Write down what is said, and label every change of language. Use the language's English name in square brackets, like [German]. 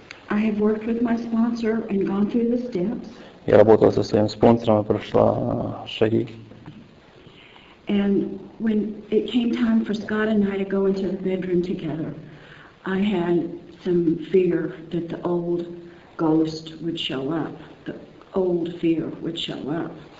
[English] I have worked with my sponsor and gone through the steps. [Russian] Я работала со своим спонсором и прошла шаги. [English] And when it came time for Scott and I to go into the bedroom together, I had some fear that the old ghost would show up. The old fear would show up.